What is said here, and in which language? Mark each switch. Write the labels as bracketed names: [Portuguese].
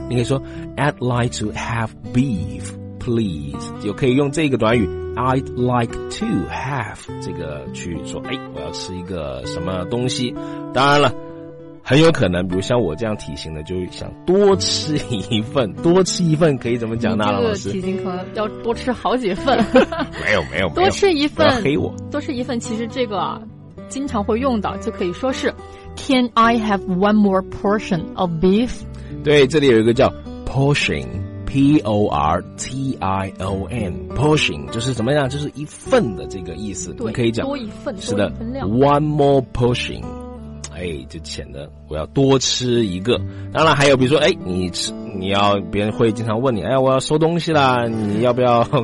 [Chinese] 你可以说 [English] I'd like to have beef please， [Chinese] 就可以用这个短语 [English] I'd like to have [Chinese] 这个去说，哎，我要吃一个什么东西。当然了，很有可能比如像我这样体型的就想多吃一份，多吃一份可以怎么讲呢？这个体型可能要多吃好几份。没有没有，多吃一份，不要黑我，多吃一份。其实这个啊，经常会用到，就可以说是 [English] Can I have one more portion of beef? [Chinese] 对，这里有一个叫 portion, P-O-R-T-I-O-N, portion 就是怎么样，就是一份的这个意思。对，你可以讲多一份，是的，多一份量， [English] one more portion， [Chinese] 哎，就显得我要多吃一个。当然还有比如说，哎，你吃，你要别人会经常问你，哎，我要收东西啦，你要不要给